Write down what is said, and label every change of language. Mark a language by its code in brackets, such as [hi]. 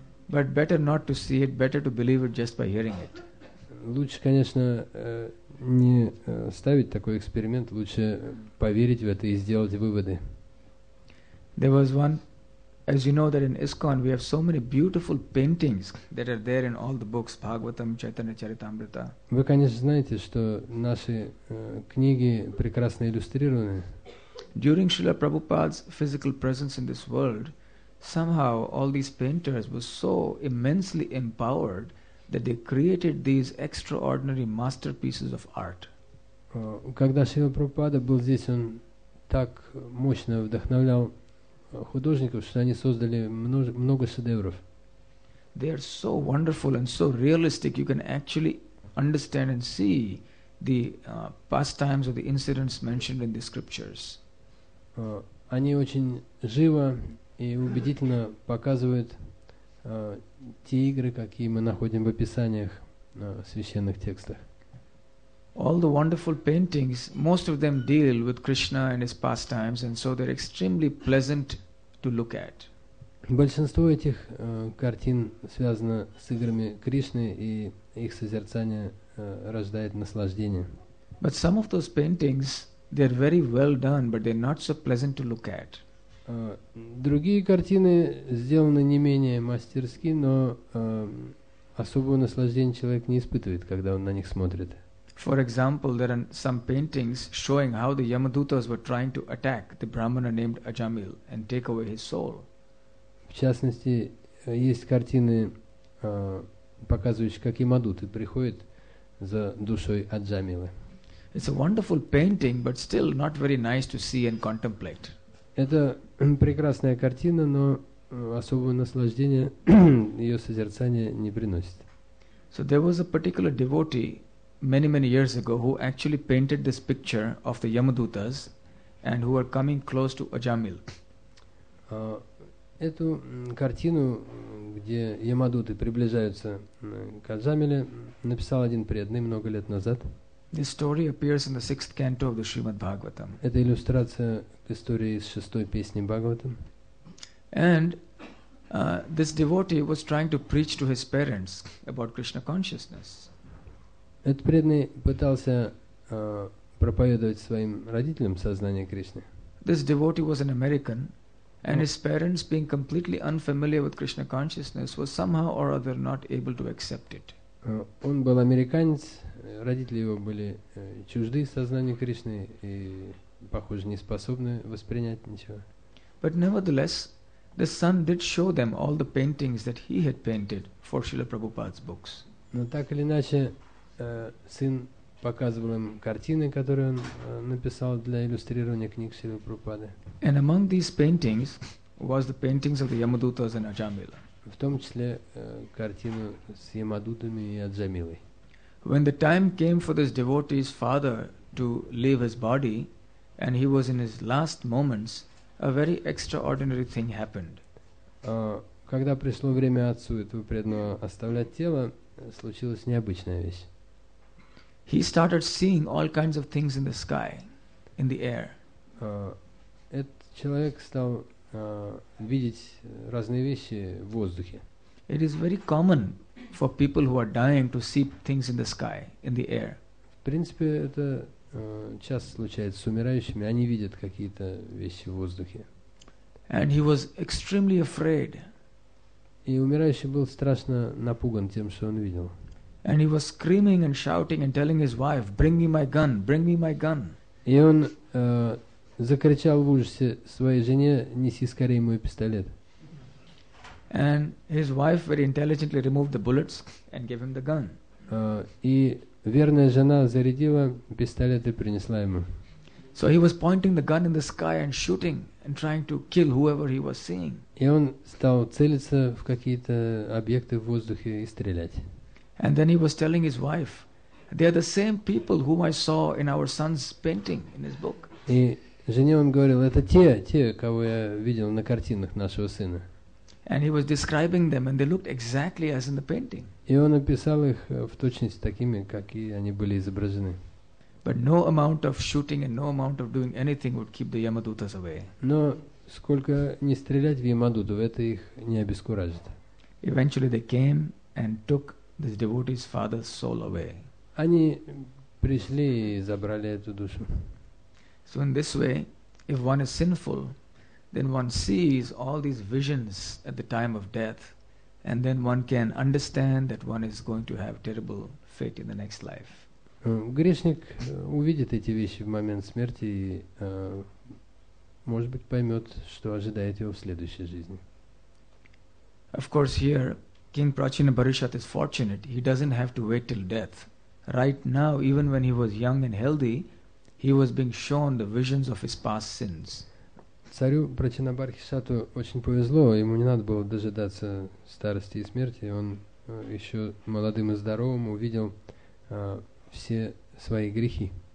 [en] But better not to see it, better to believe it just by hearing it. [ru] Лучше, конечно, не ставить такой эксперимент, лучше поверить в это и сделать выводы. [en] There was one, as you know, that in ISKCON we have so many beautiful paintings that are there in all the books, Bhagavatam, Chaitanya Charitamrita. [ru] Вы, конечно, знаете, что наши книги прекрасно иллюстрированы. [en] During Srila Prabhupada's physical presence in this world, somehow all these painters were so immensely empowered that they created these extraordinary masterpieces of art. [ru] Когда Шрила Прабхупада был здесь, он так мощно вдохновлял художников, что они создали много шедевров. [en] They are so wonderful and so realistic, you can actually understand and see the pastimes or the incidents mentioned in the scriptures. [ru] Они очень живо и убедительно показывают те игры, какие мы находим в описаниях священных текстах. [en] All the wonderful paintings, most of them deal with Krishna and his pastimes, and so they're extremely pleasant to look at. [ru] Большинство этих картин связано с играми Кришны, и их созерцание рождает наслаждение. [en] But some of those paintings, they're very well done, but they're not so pleasant to look at. [ru] Другие картины сделаны не менее мастерски, но особого наслаждения человек не испытывает, когда он на них смотрит. [en] For example, there are some paintings showing how the Yamadutas were trying to attack the Brahmana named Ajamil and take away his soul. [ru] В частности, есть картины, показывающие, как Ямадуты приходят за душой Аджамилы. [en] It's a wonderful painting, but still not very nice to see and contemplate. [ru] Это прекрасная картина, но особого наслаждения ее созерцание не приносит. [en] So there was a particular devotee many years ago who actually painted this picture of the Yamadutas and who were coming close to Ajamil. [ru] Эту картину, где Ямадуты приближаются к Аджамиле, написал один преданный много лет назад. [en] This story appears in the sixth canto of the Srimad Bhagavatam. [ru] Это иллюстрация к истории из шестой песни Бхагаватам. [en] And this devotee was trying to preach to his parents about Krishna consciousness. [ru] Этот преданный пытался проповедовать своим родителям сознание Кришны. [en] This devotee was an American, and his parents, being completely unfamiliar with Krishna consciousness, was somehow or other not able to accept it. [ru] Он был американец. Родители его были чужды сознанию Кришны и, похоже, не способны воспринять ничего. [en] But nevertheless, the son did show them all the paintings that he had painted for Srila Prabhupada's books. [ru] Но так или иначе, сын показывал им картины, которые он написал для иллюстрирования книг Шрилы Прабхупады. [en] And among these paintings was the paintings of the Yamadutas and Ajamila. [ru] В том числе картину с Ямадутами и Аджамилой. [en] When the time came for this devotee's father to leave his body, and he was in his last moments, a very extraordinary thing happened. [ru] Когда пришло время отцу этого преданного оставлять тело, случилась необычная вещь. [en] He started seeing all kinds of things in the sky, in the air. [ru] Этот человек стал видеть разные вещи в воздухе. [en] It is very common for people who are dying to see things in the sky, in the air. [ru] В принципе, это часто случается с умирающими. Они видят какие-то вещи в воздухе. [en] And he was extremely afraid. [ru] И умирающий был страшно напуган тем, что он видел. [en] And he was screaming and shouting and telling his wife, "Bring me my gun! Bring me my gun!" [ru] И он закричал в ужасе своей жене: "Неси скорее мой пистолет!" [en] And his wife very intelligently removed the bullets and gave him the gun. [ru] И верная жена зарядила пистолет и принесла ему. [en] So he was pointing the gun in the sky and shooting and trying to kill whoever he was seeing. [ru] И он стал целиться в какие-то объекты в воздухе и стрелять. [en] And then he was telling his wife, "They are the same people whom I saw in our son's painting in his book." [ru] И жене он говорил: "Это те, кого я видел на картинах нашего сына." [en] And he was describing them, and they looked exactly as in the painting. [ru] И он описал их в точности такими, какие они были изображены. [en] But no amount of shooting and no amount of doing anything would keep the Yamadutas away. [ru] Но сколько ни стрелять в Ямадутов, это их не обескуражит. [en] Eventually they came and took this devotee's father's soul away. [ru] Они пришли и забрали эту душу. [en] So in this way, if one is sinful, then one sees all these visions at the time of death, and then one can understand that one is going to have terrible fate in the next life. [ru] Грешник увидит эти вещи в момент смерти и, может быть, поймет, что ожидает его в следующей жизни. [en] Of course, here King Prachina Parishat is fortunate. He doesn't have to wait till death. Right now, even when he was young and healthy, he was being shown the visions of his past sins. [ru] Царю Прачинабхарисату очень повезло, ему не надо было дожидаться старости и смерти, он еще молодым и здоровым увидел все свои грехи.